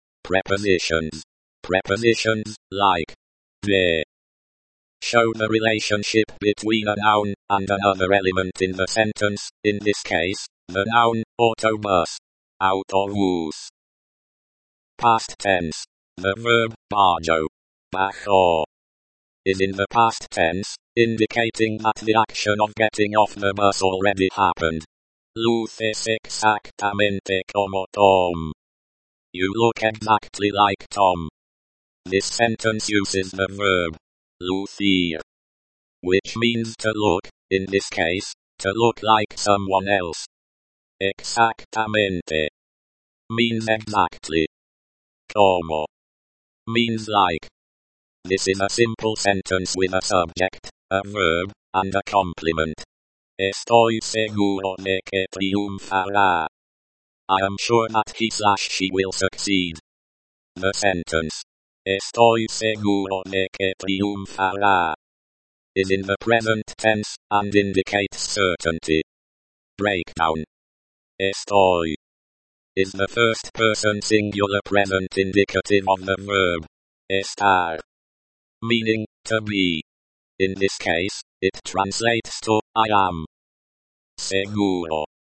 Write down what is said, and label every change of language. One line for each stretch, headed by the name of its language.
English: Prepositions. Prepositions, like de, show the relationship between a noun and another element in the sentence, in this case, the noun, autobus. Autobus. Past tense. The verb, bajo. Bajo. Is in the past tense, indicating that the action of getting off the bus already happened.
Spanish: Luces exactamente como Tom.
English: You look exactly like Tom. This sentence uses the verb lucir, which means to look, in this case, to look like someone else. Exactamente means exactly. Como means like. This is a simple sentence with a subject, a verb, and a complement.
Spanish: Estoy seguro de que triunfará.
English: I am sure that he slash she will succeed. The sentence.
Spanish: Estoy seguro de que triunfará.
English: Is in the present tense, and indicates certainty. Breakdown. Estoy. Is the first person singular present indicative of the verb. Estar. Meaning, to be. In this case, it translates to, I am. Seguro.